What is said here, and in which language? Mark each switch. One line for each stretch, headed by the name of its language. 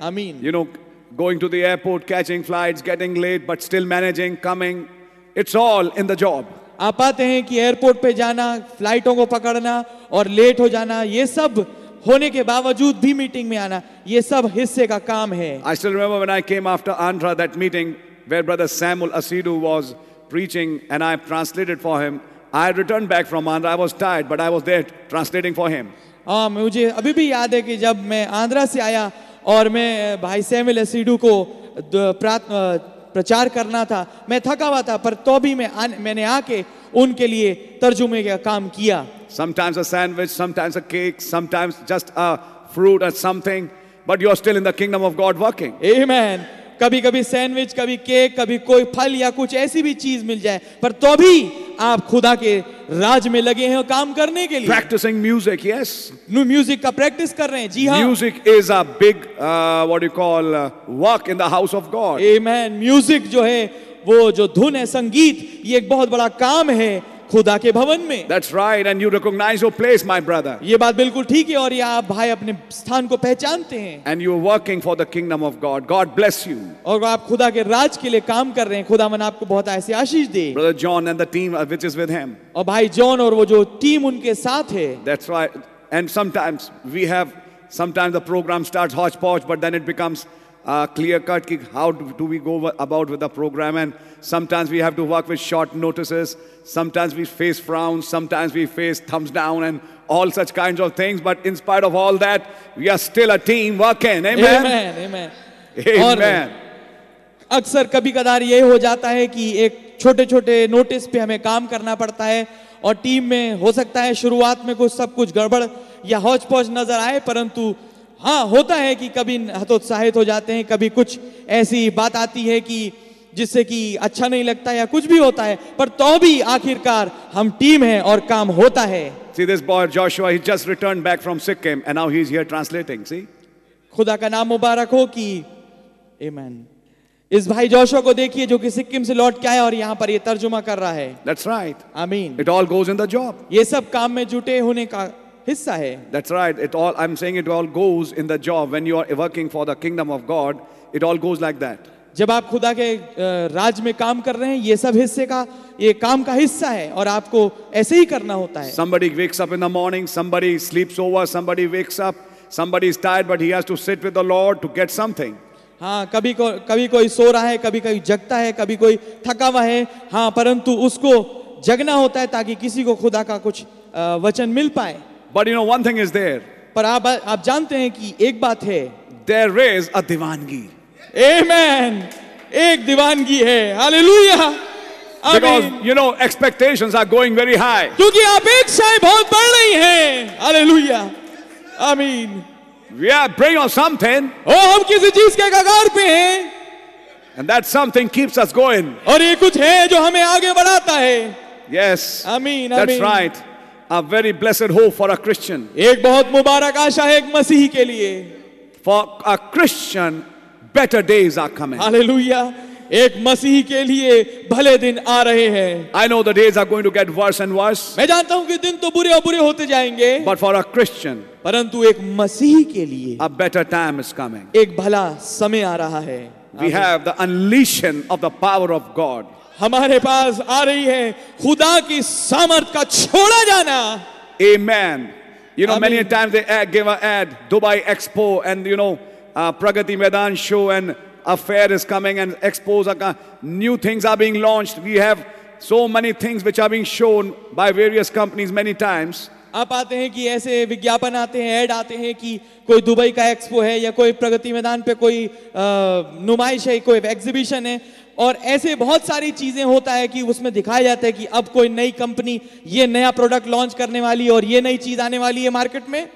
Hindi: आमीन.
English: You know, going to the airport, catching flights, getting late, but still managing, coming. It's all in the job.
Hindi: आप आते हैं कि airport पे जाना फ्लाइटों को पकड़ना और लेट हो जाना ये सब होने के बावजूद भी मीटिंग में आना ये सब हिस्से का काम है.
English: I still remember when I came after Andhra that meeting where Brother Samuel Asidu was preaching and I translated for him. I returned back from Andhra. I was tired, but I was there translating for him.
Hindi: मुझे अभी भी याद है कि जब मैं आंध्रा से आया और मैं भाई सैमुएल असीडू को प्रचार करना था मैं थका हुआ था पर तो भी मैंने आके उनके लिए तर्जुमे का काम किया.
English: Sometimes a sandwich, sometimes a cake, sometimes just a fruit or something, but you are still in the kingdom of God working. Amen.
Hindi: कभी कभी सैंडविच कभी केक कभी कोई फल या कुछ ऐसी भी चीज मिल जाए पर तो भी आप खुदा के राज में लगे हैं काम करने के लिए.
English: Practicing music, yes.
Hindi: म्यूजिक का प्रैक्टिस कर रहे हैं. जी हाँ.
English: Music is a big, what you call, work in the house of God.
Hindi: Amen. Music जो है वो जो धुन है संगीत ये एक बहुत बड़ा काम है खुदा के भवन में.
English: That's right, and you recognize your place, my brother.
Hindi: ये बात बिल्कुल ठीक है और आप भाई अपने स्थान को पहचानते हैं.
English: And you are working for the kingdom of God. God bless you.
Hindi: और आप खुदा के राज के लिए काम कर रहे हैं. खुदा मन आपको बहुत ऐसी आशीष दे.
English: Brother John and the team which is with him.
Hindi: और भाई जॉन और वो जो टीम उनके साथ है.
English: That's right, and sometimes we have, sometimes the program starts hodgepodge, but then it becomes clear cut. How do we go about with the program? And sometimes we have to work with short notices. Sometimes we face frowns. Sometimes we face thumbs down and all such kinds of things. But in spite of all that, we are still a team working. Amen. Amen. Amen.
Hindi: अक्सर कभी कदार ये हो जाता है कि एक छोटे छोटे नोटिस पे हमें काम करना पड़ता है और टीम में हो सकता है शुरुआत में कुछ सब कुछ गड़बड़ या हौच-पौच नजर आए, परंतु हाँ होता है कि कभी हतोत्साहित हो जाते हैं, कभी कुछ ऐसी बात आती है कि जिससे कि अच्छा नहीं लगता या कुछ भी होता है, पर तो भी आखिरकार हम टीम हैं और काम होता है.
English: See this boy Joshua, he just returned back from Sikkim and now he's here translating. See?
Hindi: खुदा का नाम मुबारक हो कि Amen. इस भाई जोशुआ को देखिए जो कि सिक्किम से लौट के आया और यहाँ पर ये तर्जुमा कर रहा है.
English: That's right. I mean, it all goes in the job.
Hindi: ये सब काम में जुटे होने का हिस्सा है.
English: That's right. I'm saying it all goes in the job when you are working for the kingdom of God. It all goes like that.
Hindi: जब आप खुदा के राज में काम कर रहे हैं, ये सब हिस्से का, ये काम का हिस्सा है और आपको ऐसे ही करना होता है.
English: Somebody wakes up in the morning. Somebody sleeps over. Somebody wakes up. Somebody is tired, but he has to sit with the Lord to get something.
Hindi: हाँ, कभी कोई सो रहा है, कभी कोई जगता है, कभी कोई थका हुआ है. हाँ, परंतु उसको जगना होता है ताकि किसी को खुदा का कुछ वचन मिल पाए.
English: But you know one thing is there.
Hindi: पर आप जानते हैं कि एक बात है.
English: There is a दीवानगी.
Hindi: Amen. एक दीवानगी है. Hallelujah.
English: Because you know expectations are going very high.
Hindi: क्योंकि अपेक्षाएं बहुत बढ़ रही हैं.
English: Hallelujah. Amen. We are praying on something.
Hindi: Oh, हम किसी चीज के कगार पे हैं.
English: And that something keeps us going.
Hindi: और ये कुछ है जो हमें आगे बढ़ाता है.
English: Yes. Amen. That's Amen. Right. A very blessed hope for a Christian.
Hindi: एक बहुत मुबारक आशा है एक मसीही के लिए.
English: For a Christian, better days are coming. Hallelujah.
Hindi: एक मसीही के लिए भले दिन आ रहे हैं.
English: I know the days are going to get worse and worse.
Hindi: मैं जानता हूँ कि दिन तो बुरे और बुरे होते जाएंगे.
English: But for a Christian,
Hindi: परंतु एक मसीही के लिए
English: a better time is coming.
Hindi: एक भला समय आ रहा है.
English: We have the unleashing of the power of God.
Hindi: हमारे पास आ रही है खुदा की सामर्थ का छोड़ा जाना.
English: Amen. You know, many times they give an ad, Dubai Expo, and you know, Pragati Maidan Show, and a fair is coming, and expos are new things are being launched. We have so many things which are being shown by various companies many times.
Hindi: आप आते हैं कि ऐसे विज्ञापन आते हैं, add आते हैं कि कोई दुबई का एक्सपो है या कोई प्रगति मैदान पे कोई नुमाइश है, कोई एग्जीबिशन है, और ऐसे बहुत सारी चीजें होता है कि उसमें दिखाया जाता है कि अब कोई नई कंपनी ये नया प्रोडक्ट लॉन्च करने वाली है और ये नई चीज आने वाली है मार्केट में.